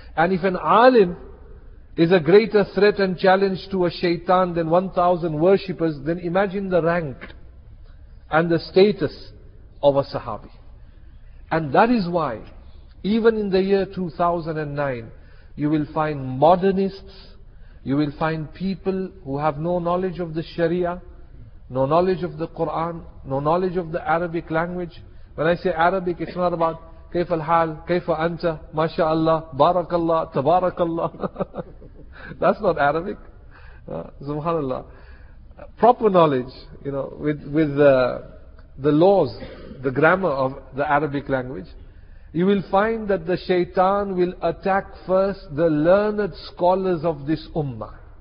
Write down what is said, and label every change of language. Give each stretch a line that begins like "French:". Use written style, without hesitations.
English: And if an alim is a greater threat and challenge to a shaitan than 1,000 worshippers, then imagine the rank and the status of a Sahabi. And that is why, even in the year 2009, you will find modernists, you will find people who have no knowledge of the Sharia, no knowledge of the Quran, no knowledge of the Arabic language. When I say Arabic, it's not about
Arabic: كيف الحال, كيف أنت, ما شاء الله, بارك الله, تبارك الله.
English: That's not Arabic. Subhanallah. Proper knowledge, you know, with the laws, the grammar of the Arabic language. You will find that the shaitan will attack first the learned scholars of this ummah.